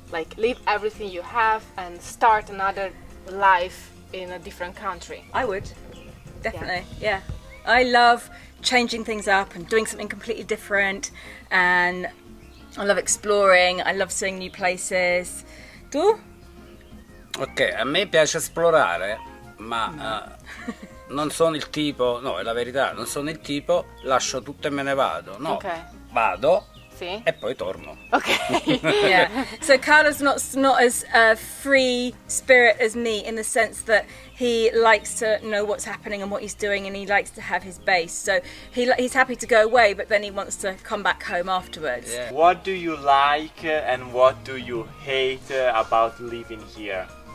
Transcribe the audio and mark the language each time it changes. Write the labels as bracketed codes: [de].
[en] Like, leave everything you have and start another life in a different country? I would, definitely, yeah. I love changing things up and doing something completely different, and I love exploring, I love seeing new places. [it] Tu? Ok, a me piace esplorare, ma non sono il tipo, no, è la verità, non sono il tipo, lascio tutto e me ne vado. No, okay. Vado, sì, e poi torno. Ok. [en] Yeah. So Carlo's not as a free spirit as me, in the sense that he likes to know what's happening and what he's doing, and he likes to have his base. So he's happy to go away, but then he wants to come back home afterwards. Yeah. What do you like and what do you hate about living here?